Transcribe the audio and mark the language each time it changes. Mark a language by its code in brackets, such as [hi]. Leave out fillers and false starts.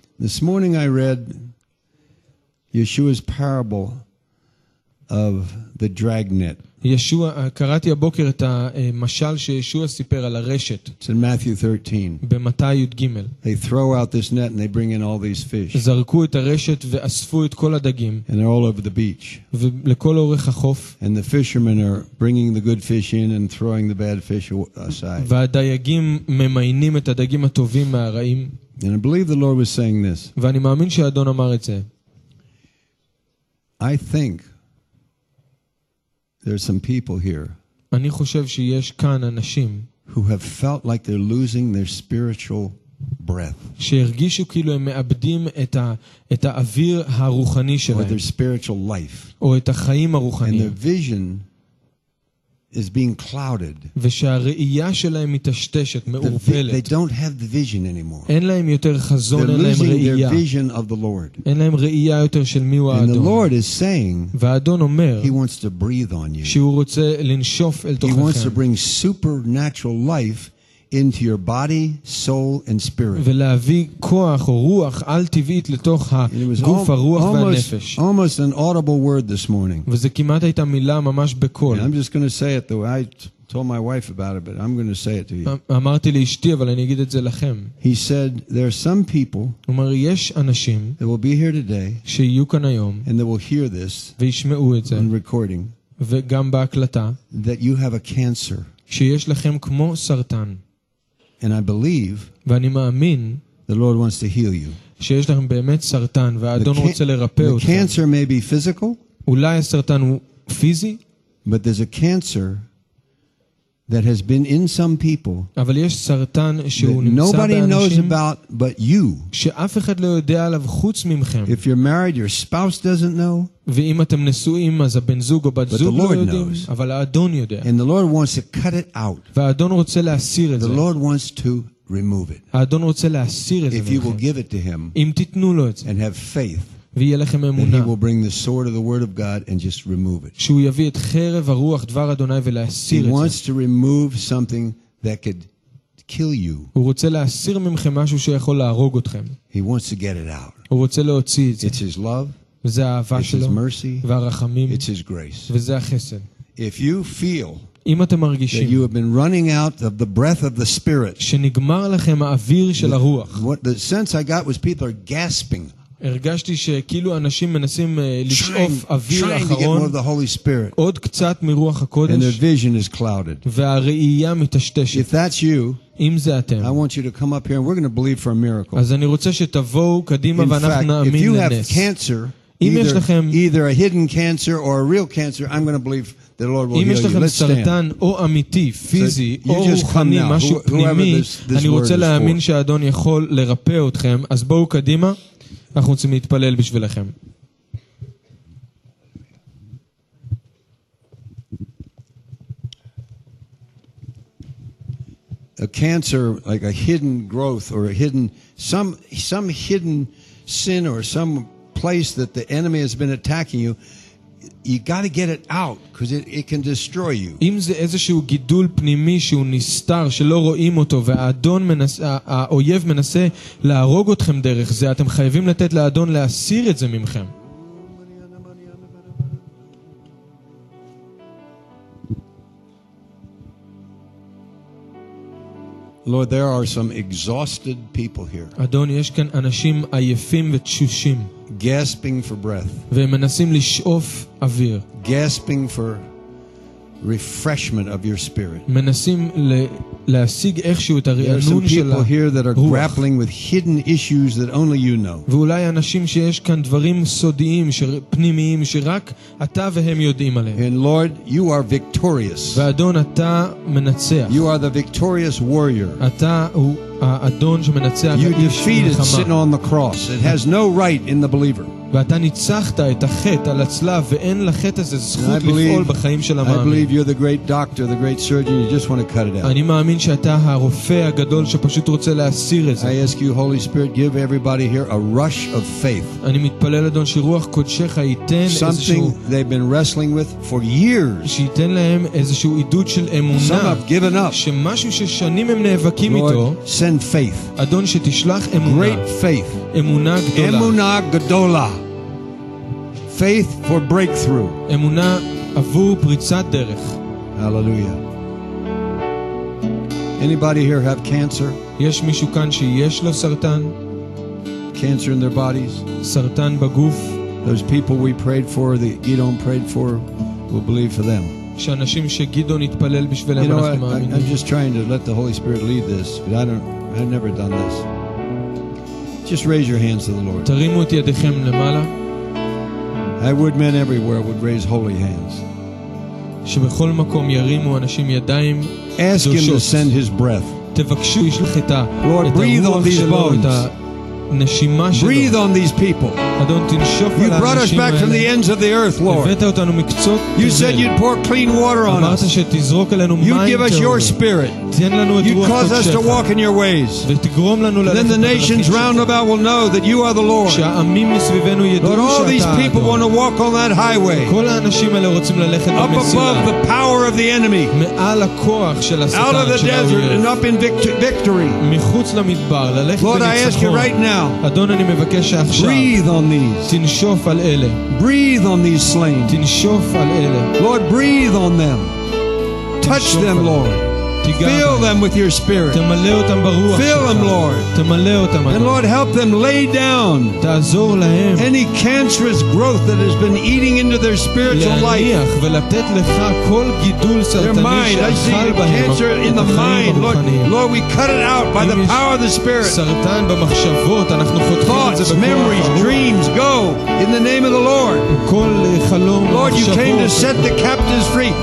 [en] This morning I read Yeshua's parable of the dragnet. [he] ישוע, קראתי הבוקר את המשל שישוע סיפר על הרשת. [en] It's in Matthew 13. [he] במתי י"ג. [en] They throw out this net and they bring in all these fish. [he] זרקו את הרשת ואספו את כל הדגים. [en] And they're all over the beach. [he] ולכל אורך החוף. [en] And the fishermen are bringing the good fish in and throwing the bad fish aside. [he] והדייגים ממיינים את הדגים הטובים מהרעים. [en] And I believe the Lord was saying this. [he] ואני מאמין שהאדון אמר את זה. [en] I think there's some people here. [he] אני חושב שיש כאן אנשים [en] who have felt like they're losing their spiritual breath. [he] שהרגישו כאילו הם מאבדים את האוויר הרוחני שלהם. [en] Or their spiritual life. [he] או את החיים הרוחניים. [en] And their vision is being clouded. [he] ושהראייה שלהם מתשתשת, מעורפלת. [en] They don't have the vision anymore. [he] אין להם יותר חזון, אין להם ראייה. [en] They're losing their vision of the Lord. [he] אין להם ראייה יותר של מי הוא האדון. [en] And the Lord is saying, [he] והאדון אומר, [en] he wants to breathe on you. [he] שהוא רוצה לנשוף אל תוככם. [en] He wants to bring supernatural life into your body, soul and spirit. [he] ולהביא כוח או רוח על טבעית לתוך הגוף, הרוח והנפש. [en] Almost an audible word this morning. [he] וזה כמעט הייתה מילה ממש בקול. [en] I'm just going to say it though. I told my wife about it, but I'm going to say it to you. [he] אמרתי לאשתי, אבל אני אגיד את זה לכם. [en] He said there are some people. [he] אומר יש אנשים. [en] They will be here today. [he] שיהיו כאן היום. [en] And they will hear this. [he] וישמעו את זה. [en] On recording. [he] וגם בהקלטה. [en] That you have a cancer. [he] שיש לכם כמו סרטן. [en] And I believe [he] ואני מאמין [en] the Lord wants to heal you. [he] שיש לכם באמת סרטן והאדון רוצה לרפא אותו. [en] The cancer may be physical. [he] אולי הסרטן הוא פיזי. [en] But there's a cancer that has been in some people. [he] אבל יש סרטן שהוא נמצא באנשים. [en] Nobody knows about but you. [he] שאף אחד לא יודע עליו חוץ ממכם. [en] If you're married, your spouse doesn't know. [he] ואם אתם נשואים, אז הבן זוג או בת זוג לא יודעים. אבל האדון יודע. [en] And the Lord wants to cut it out. [he] והאדון רוצה להסיר את זה. [en] The Lord wants to remove it. [he] האדון רוצה להסיר את זה. [en] If you will give it to him. [he] אם תתנו לו את זה. [en] And have faith. [he] ויהיה לכם אמונה. [en] And he will bring the sword of the word of God and just remove it. [he] שהוא יביא את חרב הרוח דבר אדוני ולהסיר את זה. [en] He wants to remove something that could kill you. [he] הוא רוצה להסיר ממכם משהו שיכול להרוג אתכם. [en] He wants to get it out. [he] הוא רוצה להוציא את זה. [en] It's his love. [he] וזה האהבה שלו. [en] It's his mercy. [he] והרחמים. [en] It's his grace. [he] וזה החסד. [en] If you feel [he] אם אתם מרגישים [en] that you have been running out of the breath of the spirit, [he] שנגמר לכם האוויר של הרוח. [en] What the sense I got was people are gasping. [he] הרגשתי שכאילו אנשים מנסים לשאוף אוויר אחרון, עוד קצת מרוח הקודש, [en] and their vision is clouded. [he] והראייה מתשתשת. [en] If that's you, [he] אם זה אתם, [en] I want you to come up here and we're going to believe for a miracle. [he] אז אני רוצה שתבואו קדימה ואנחנו נאמין לנס. [en] If you have cancer, either a hidden cancer or a real cancer, I'm going to believe the Lord will heal you. [he] אם יש לכם סרטן או אמיתי, פיזי, או רוחני, משהו פנימי, אני רוצה להאמין שהאדון יכול לרפא אתכם, אז בואו קדימה, אנחנו רוצים להתפלל בשבילכם. [en] A cancer, like a hidden growth or a hidden, some hidden sin or some place that the enemy has been attacking you, you got to get it out because it can destroy you. [he] אם זה איזשהו גידול פנימי שהוא נסתר שלא רואים אותו והאדון מנסה האויב מנסה להרוג אתכם דרך זה, אתם חייבים לתת לאדון להסיר את זה ממכם. [en] Lord, there are some exhausted people here. [he] אדון, יש כאן אנשים עייפים ותשושים. [en] Gasping for breath. [he] ומנסים לשאוף אוויר. [en] Gasping for refreshment of your spirit. [he] מנסים להשיג איכשהו את הרענון של הרוח. [en] People here that are grappling with hidden issues that only you know. [he] ואולי אנשים שיש כאן דברים סודיים פנימיים שרק אתה והם יודעים עליהם. [en] And Lord, you are victorious. [he] ואדון, אתה מנצח. [en] You are the victorious warrior. [he] אתה הוא האדון שמנצח. [en] You defeated sin on the cross. It has no right in the believer. [he] ואתה ניצחת את החטא על הצלב ואין לחטא הזה זכות לפעול בחיים של המאמין. [en] I believe you're the great doctor, the great surgeon, you just want to cut it out. [he] אני מאמין שאתה הרופא הגדול שפשוט רוצה להסיר את זה. [en] I ask you, Holy Spirit, give everybody here a rush of faith. [he] אני מתפלל אדון שרוח קודשך ייתן איזשהו [en] something they've been wrestling with for years. [he] שייתן להם איזשהו עידוד של אמונה. [en] Some have given up. [he] שמשהו ששנים הם נאבקים איתו. [en] Send faith. [he] אדון שתשלח אמונה. [en] Great faith. [he] אמונה גדולה. אמונה גדולה. [en] Faith for breakthrough. [he] אמונה עבור פריצת דרך. [en] Hallelujah. Anybody here have cancer? [he] יש מישהו כאן שיש לו סרטן? [en] Cancer in their bodies. [he] סרטן בגוף. [en] Those people we prayed for, that Gideon prayed for, we'll believe for them. [he] שאנשים שגדעון התפלל בשבילם, אנחנו מאמינים. [en] I'm just trying to let the Holy Spirit lead this, but I've never done this. Just raise your hands to the Lord. [he] תרימו את ידיכם למעלה. [en] I would men everywhere would raise holy hands. [he] שבכל מקום ירימו אנשים ידיים. [en] Ask him to send his breath. [he] תבקשו ישלח את הרוח שלו. [en] Breathe on these bones. Breathe on these people. [he] אדון, תנשוף על האנשים האלה. [en] You brought us back from the ends of the earth, Lord. [he] הבאת אותנו מקצות. [en] You said you'd pour clean water on us. [he] אמרת שתזרוק עלינו מים. [en] You give us your spirit. [he] תן לנו את רוח קודשך. [en] You cause us to walk in your ways. [he] ותגרום לנו ללכת. [en] Then the nations round about will know that you are the Lord. [he] שהעמים מסביבנו ידעו שאתה. [en] All these people want to walk on that highway. [he] כל האנשים האלה רוצים ללכת במסילה. [en] Up above the power of the enemy. [he] מעל הכוח של השטן. [en] Out of the desert and up in victory. [he] מחוץ למדבר, ללכת בניצחון. [en] Lord, I ask you right now. [he] אדון, אני מבקש עכשיו. תנשוף על אלה. [en] Breathe on these slain. [he] תנשוף על אלה. [en] Lord, breathe on them. Touch them, Lord. Fill them with your spirit. [he] תמלא אותם ברוח. [en] Fill them, Lord. [he] תמלא אותם. [en] And Lord, help them lay down. [he] תעזור להם. [en] Any cancerous growth that has been eating into their spiritual life. [he] להניח ולתת לך כל גידול סרטני שאכל בהם. [en] I see cancer in the mind. Lord, we cut it out by the power of the spirit. [he] סרטן במחשבות, אנחנו חותכים את זה. [en] Thoughts, memories, dreams, go in the name of the Lord. [he] כל חלום, [en] Lord, you came to set the captives free.